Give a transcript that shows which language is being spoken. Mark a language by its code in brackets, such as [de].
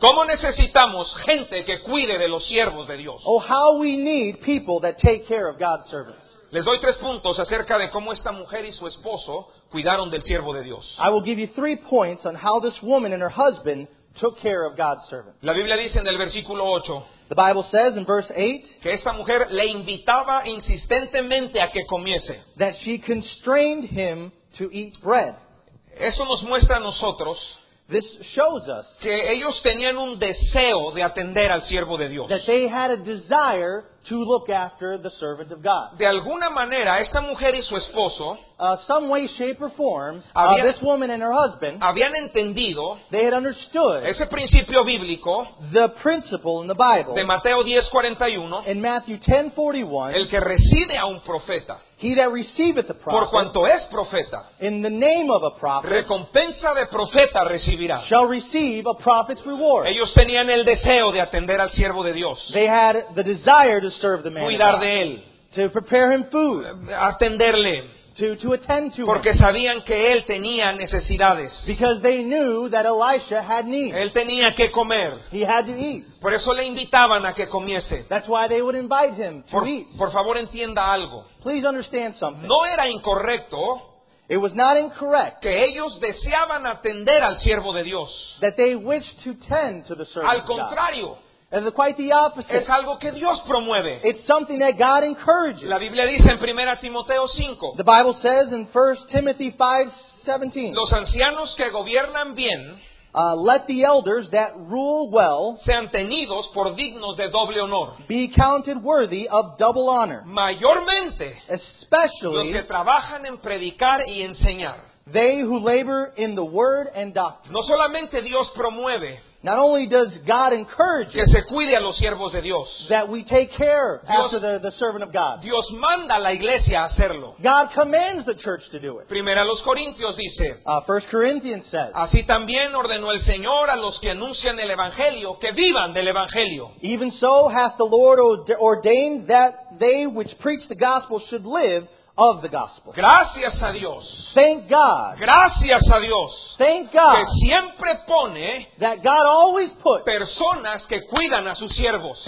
[es] ¿Cómo necesitamos gente que cuide de los siervos de Dios? [en] Oh, how we need people that take care of God's servants. [es] Les doy tres puntos acerca de cómo esta mujer y su esposo cuidaron del siervo de Dios. [en] I will give you three points on how this woman and her husband took care of God's servant. [es] La Biblia dice en el versículo 8. [en] The Bible says in verse 8. [es] Que esta mujer le invitaba insistentemente a que comiese. [en] That she constrained him to eat bread. [es] Eso nos muestra a nosotros. [en] This shows us [es] que ellos tenían un deseo de atender al siervo de Dios. [en] That they had a desire to look after the servant of God. [es] De alguna manera, esta mujer y su esposo, [en] some way, shape, or form, this woman and her husband, [es] habían entendido, [en] they had understood [es] ese principio bíblico, [en] the principle in the Bible, [es] de Mateo 10:41, [en] in Matthew 10:41, [es] el que recibe a un profeta, [en] he that receiveth a prophet, [es] por cuanto es profeta, [en] in the name of a prophet, [es] recompensa de profeta recibirá, [en] shall receive a prophet's reward. [es] Ellos tenían el deseo de atender al siervo de Dios. [en] They had the desire to serve the man. [es] Cuidar de él. [en] To prepare him food. [es] Atenderle. [en] To attend to [es] porque [en] him. [es] Sabían que él tenía necesidades. [en] Because they knew that Elisha had needs. [es] Él tenía que comer. [en] He had to eat. [es] Por eso le invitaban a que comiese. [en] That's why they would invite him to eat. [es] Por favor, entienda algo. [en] Please understand something. [es] No era incorrecto. [en] It was not incorrect. [es] Que ellos deseaban atender al siervo de Dios. [en] That they wished to tend to the servant. [es] Al contrario. [en] And quite the opposite. [es] Es algo que Dios promueve. [en] It's something that God encourages. [es] La Biblia dice en 1 Timoteo 5. [en] The Bible says in 1 Timothy 5:17. [es] Los ancianos que gobiernan bien, [en] let the elders that rule well, [es] sean tenidos por dignos de doble honor. [en] Be counted worthy of double honor. [es] Mayormente, [en] especially [es] los que trabajan en predicar y enseñar. [en] They who labor in the word and doctrine. [es] No solamente Dios promueve. [en] Not only does God encourage [es] que se cuide a los siervos de Dios, [en] that we take care after the servant of God. [es] Dios manda a la iglesia a hacerlo. [en] God commands the church to do it. [es] Primera los Corintios dice, [en] 1 Corinthians says, [es] así también ordenó el Señor a los que anuncian el Evangelio, que vivan del Evangelio. [en] Even so hath the Lord ordained that they which preach the gospel should live of the gospel. [es] Gracias a Dios. [en] Thank God. [es] Gracias a Dios. [en] Thank God. [es] Que siempre pone [en] that God always puts [es] personas que cuidan a sus siervos.